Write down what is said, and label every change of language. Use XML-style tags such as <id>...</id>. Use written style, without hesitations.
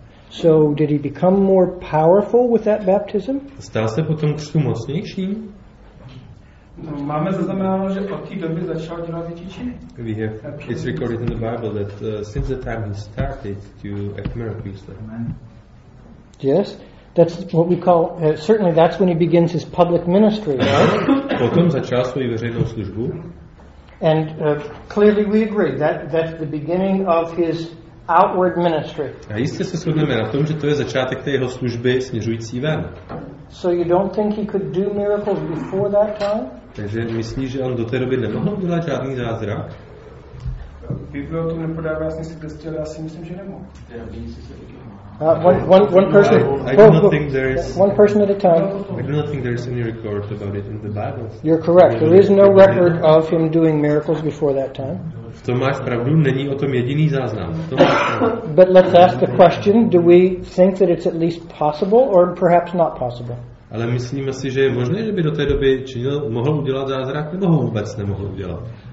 <en>So did he become more powerful with that baptism?</en> <cs>Stál se potom křtu mocnějším? Máme zaznamenáno, že od té doby začal dělat větší činy.</cs> <en>We have, it's recorded in the Bible that since the time he started to act miraculously. Yes, that's what we call, certainly that's when he begins his public ministry, right?</en> <cs>Potom začal svou veřejnou službu.</cs> <en>And clearly we agree, that's the beginning of his outward ministry.</en> <cs>A jistě se shodneme na tom, že to je začátek té jeho služby směřující ven.</cs> <en>So you don't think he could do miracles before that time?</en> <cs>Takže myslíš, že on do té doby nemohl dělat žádný zázrak? Biblia to nepodává jasný svědectví, ale já si myslím, že nemohl.</cs> <en>One person at a time. I do not think there is any record about it in the Bible. You're correct. There is no record of him doing miracles before that time.</en> <cs>V tom máš pravdu, není o tom jediný záznam.</cs> <en>But let's ask the question, do we think that it's at least possible or perhaps not possible?</en> <cs>Ale myslíme si, že je možné, že by do té doby činil, mohl udělat zázrak, nebo ho vůbec nemohl udělat.</cs>